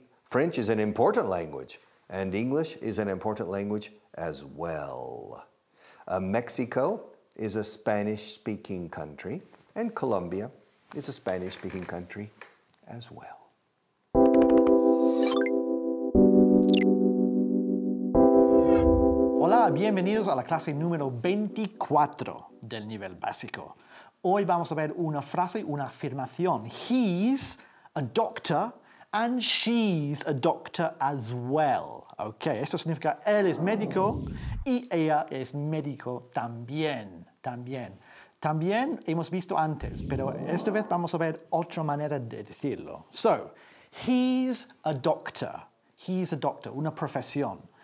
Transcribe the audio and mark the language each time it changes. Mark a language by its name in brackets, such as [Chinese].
[English] French is an important language. And English is an important language as well. Mexico is a Spanish-speaking country, and Colombia is a Spanish-speaking country as well. [Spanish] Hola, bienvenidos a la clase número 24 del nivel básico. Hoy vamos a ver una frase, una afirmación. [English] He's a doctor and she's a doctor as well. [Spanish] Okay, esto significa él es médico y ella es médico también, también. También hemos visto antes, pero esta vez vamos a ver otra manera de decirlo. [English] So, he's a doctor. He's a doctor, [Spanish] una profesión.